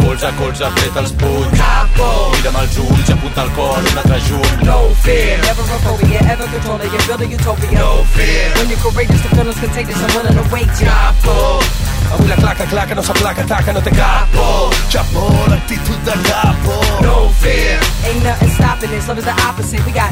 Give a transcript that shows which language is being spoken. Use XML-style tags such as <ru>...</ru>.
<ca>A colze fet els punys, cap por, mira'm els ulls, apunta el cor, un altre junt.</ca> <en>No fear, never a phobia, ever control it, you build a utopia. No fear, when you're courageous, the feeling's contagious, I'm running away to you.</en> <ca>Cap por, avui la claca, claca, no s'aplaca, taca, no té cap por. Cap por, l'actitud de cap por.</ca> <en>No fear, ain't nothing stopping this, love is the opposite, we got</en>